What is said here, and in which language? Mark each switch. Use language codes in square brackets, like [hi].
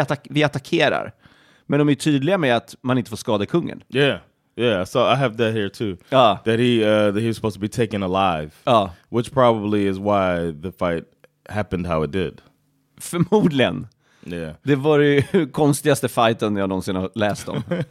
[sv] Vi attackerar. Men de är tydliga med att man inte får skada kungen. [en] Yeah. Yeah, so I have that here too. That he was supposed to be taken alive. Which probably is why the fight happened how it did. [sv] Förmodligen. [en] Yeah. [sv] Det var ju konstigaste fighten jag någonsin har läst om.